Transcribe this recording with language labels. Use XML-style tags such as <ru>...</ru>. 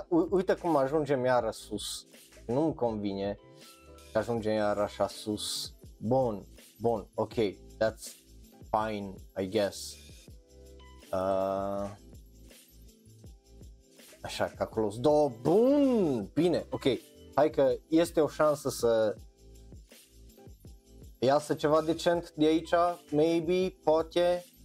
<ro>Uite cum ajungem iară sus. Nu-mi convine că ajungem iară așa sus. Bun. Bun,</ro> <en>ok, that's fine, I guess.</en> <ro>Așa, că acolo sunt două, bun, bine, ok. Hai că este o șansă să iasă ceva decent de aici,</ro> <en>maybe,</en> <ro>poate.</ro>